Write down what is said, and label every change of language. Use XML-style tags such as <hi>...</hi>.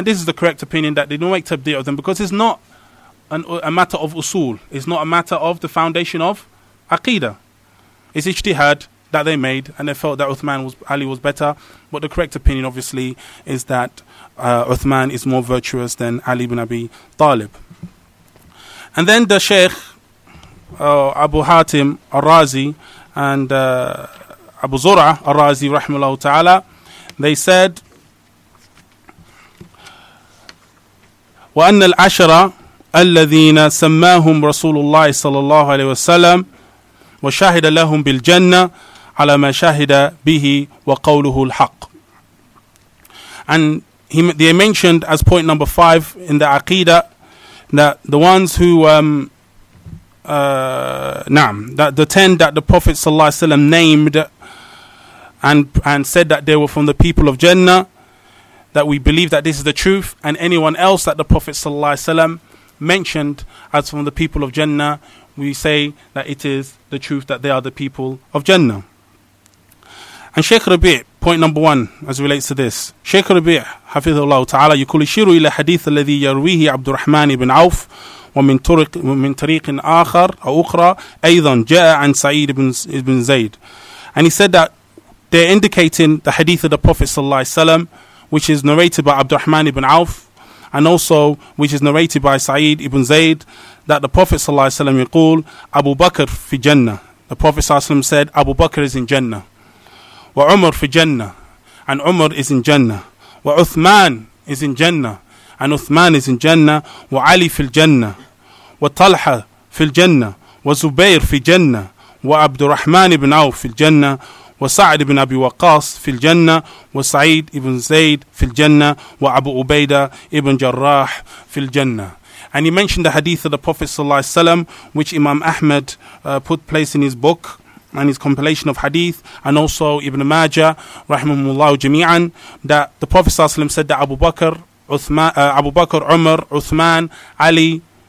<en>And this is the correct opinion, that they don't make tabdi' of them, because it's not a matter of usul. It's not a matter of the foundation of aqidah. It's ijtihad that they made, and they felt that Ali was better. But the correct opinion, obviously, is that Uthman is more virtuous than Ali ibn Abi Talib. And then the Sheikh Abu Hatim al-Razi and Abu Zura al-Razi, rahimahullah ta'ala, they said,</en> <ar>وَأَنَّ الْعَشْرَ الَّذِينَ سَمَّاهُمْ رَسُولُ اللَّهِ صَلَى اللَّهُ عَلَيْهِ وَسَلَّمْ وَشَهِدَ لَهُمْ بِالْجَنَّةِ عَلَى مَا شَهِدَ بِهِ وَقَوْلُهُ الْحَقِّ. And</ar> <en>they mentioned as point number five in the Aqeedah that the ones who that the ten that the Prophet sallallahu alaihi wasallam named and said that they were from the people of Jannah, that we believe that this is the truth, and anyone else that the Prophet sallallahu alaihi wasallam mentioned as from the people of Jannah, we say that it is the truth that they are the people of Jannah. And Shaykh Rabi', point number one, as relates to this, Shaykh Rabi', hafizahullah ta'ala,</en> <ar>يقول يشير إلى حديث الذي يرويه عبد الرحمن بن عوف ومن طريق آخر أو أخرى أيضا جاء عن سعيد بن زيد.</ar> <en>And he said that they're indicating the hadith of the Prophet sallallahu alayhi wa sallam, which is narrated by Abdul Rahman ibn Auf, and also which is narrated by Sa'id ibn Zayd, that the Prophet sallallahu alayhi wa sallam</en> <ar>yaqul Abu Bakr fi Jannah.</ar> <en>The Prophet sallallahu alayhi wa sallam said, Abu Bakr is in Jannah.</en> <ar>Wa Umar fi Jannah.</ar> <en>And Umar is in Jannah.</en> <ar>Wa Uthman is in Jannah.</ar> <en>And Uthman is in Jannah.</en> <ar>Wa Ali fi Jannah. Wa Talha fi Jannah. Wa Zubayr fi Jannah. Wa Abdul Rahman ibn Auf fi Jannah. وسعد بن أبي وقاص في الجنة وسعيد بن زيد في الجنة وأبو عبيدة بن جراح في الجنة.</ar> <en>And he mentioned the hadith of the Prophet sallallahu alaihi wasallam, which Imam Ahmad put place in his book and his compilation of hadith, and also Ibn Majah rahimahullah jami'an, that the Prophet sallallahu alaihi wasallam said that Abu Bakr, Uthman, Abu Bakr, Umar, Uthman, Ali,</en>